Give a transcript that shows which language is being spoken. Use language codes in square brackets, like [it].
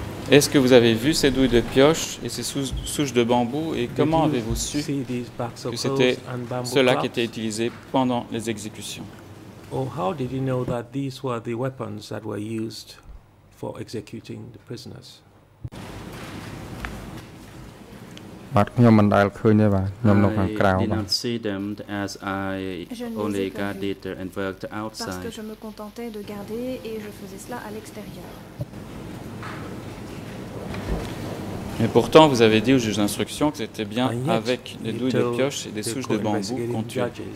[fr] Est-ce que vous avez vu ces douilles de pioche et ces souches de bambou et comment avez-vous su que c'était cela qui était utilisé pendant les exécutions? [en] How did you know that these were the weapons that were used for executing the prisoners? I did not see them as I only guarded and worked outside. [fr] Parce que je me contentais de garder et je faisais cela à l'extérieur. Mais pourtant, vous avez dit au juge d'instruction que c'était bien avec des douilles de pioche et des souches de bambou qu'on tuait.